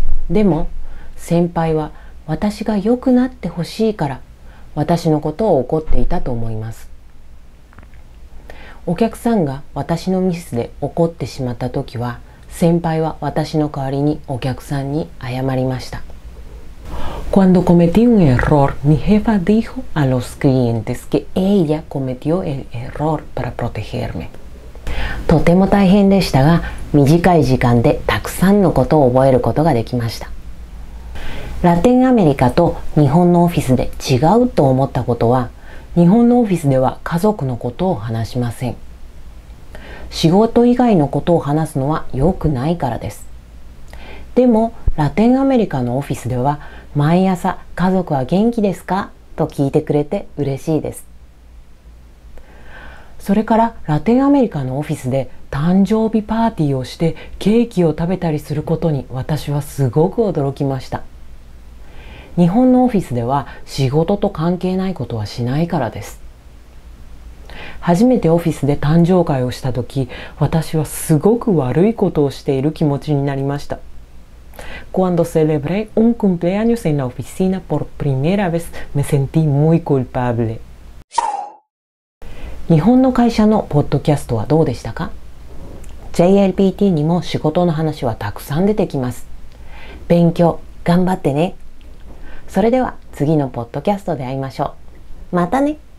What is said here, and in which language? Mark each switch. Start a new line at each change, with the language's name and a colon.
Japanese: でも先輩は私が良くなってほしいから私のことを怒っていたと思います。お客さんが私のミスで怒ってしまった時は、先輩は私の代わりにお客さんに謝りました。
Spanish: Cuando cometí un error, mi jefa dijo a los clientes que ella cometió el error para protegerme.
Japanese: とても大変でしたが、短い時間でたくさんのことを覚えることができました。ラテンアメリカと日本のオフィスで違うと思ったことは、日本のオフィスでは家族のことを話しません。仕事以外のことを話すのは良くないからです。でも、ラテンアメリカのオフィスでは、毎朝、家族は元気ですか? と聞いてくれて嬉しいです。それから、ラテンアメリカのオフィスで誕生日パーティーをしてケーキを食べたりすることに私はすごく驚きました。日本のオフィスでは仕事と関係ないことはしないからです。初めてオフィスで誕生会をしたとき、私はすごく悪いことをしている気持ちになりました。
Spanish: Cuando celebré un cumpleaños en la oficina por primera vez, me sentí muy culpable.
Japanese: 日本の会社のポッドキャストはどうでしたか ?JLPT にも仕事の話はたくさん出てきます。勉強、頑張ってね。それでは次のポッドキャストで会いましょう。またね。